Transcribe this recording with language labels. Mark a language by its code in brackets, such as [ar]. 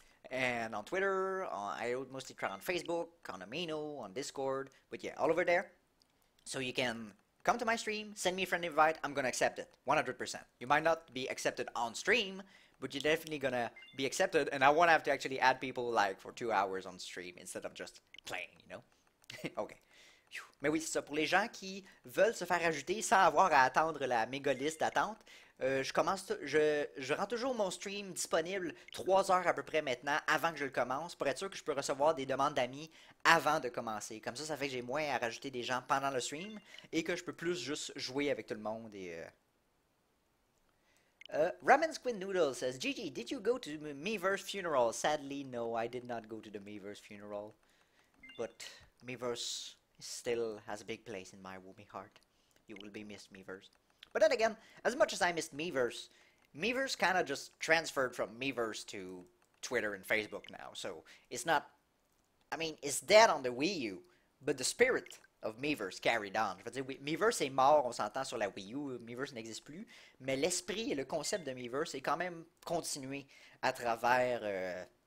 [en] And on Twitter, I would mostly try on Facebook, on Amino, on Discord, but yeah, all over there. So you can come to my stream, send me a friend invite, I'm gonna accept it, 100%. You might not be accepted on stream, but you're definitely gonna be accepted, and I won't have to actually add people like for 2 hours on stream instead of just playing, you know? Okay. [fr] Mais oui, c'est ça. Pour les gens qui veulent se faire ajouter sans avoir à attendre la méga liste d'attente, je rends toujours mon stream disponible 3 heures à peu près maintenant avant que je le commence pour être sûr que je peux recevoir des demandes d'amis avant de commencer. Comme ça, ça fait que j'ai moins à rajouter des gens pendant le stream et que je peux plus juste jouer avec tout le monde. [en] Ramen Squid Noodle says, Gigi, did you go to the Miiverse funeral? Sadly, no, I did not go to the Miiverse funeral. But Miiverse still has a big place in my woomy heart. You will be missed, Miiverse. But then again, as much as I missed Miiverse, Miiverse kind of just transferred from Miiverse to Twitter and Facebook now. So it's not, I mean, it's dead on the Wii U, but the spirit of Miiverse carried on. [fr] Je veux dire, Miiverse est mort, on s'entend, sur la Wii U, Miiverse n'existe plus. Mais l'esprit et le concept de Miiverse est quand même continué à travers...